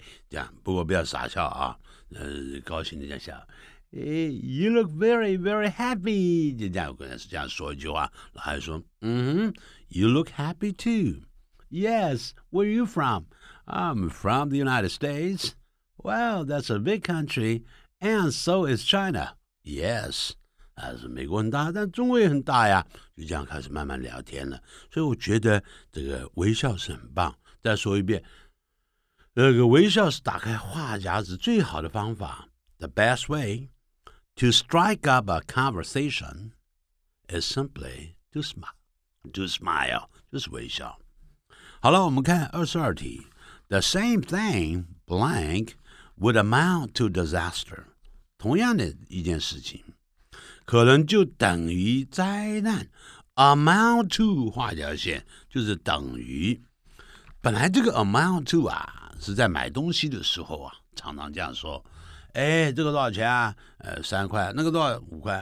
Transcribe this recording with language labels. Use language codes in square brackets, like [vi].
[zh] 这样，不过不要傻笑啊，高兴的在笑。 [en] You look very, very happy. [zh] 这样跟他是这样说一句话，老外说， [en] You look happy too. Yes, where are you from? I'm from the United States. Well, that's a big country, and so is China. [zh] Yes, 美国很大，但中国也很大呀。就这样开始慢慢聊天了。所以我觉得这个微笑是很棒。再说一遍，这个微笑是打开话匣子最好的方法。 [en] The best way to strike up a conversation is simply to smile. [zh] To smile 就是微笑。好了，我们看22题。 [en] The same thing, blank, would amount to disaster. [zh] 同样的一件事情可能就等于灾难。 Amount to, 画条线就是等于。本来这个 amount to 啊是在买东西的时候啊常常这样说。哎，这个多少钱啊？三块，那个多少？五块。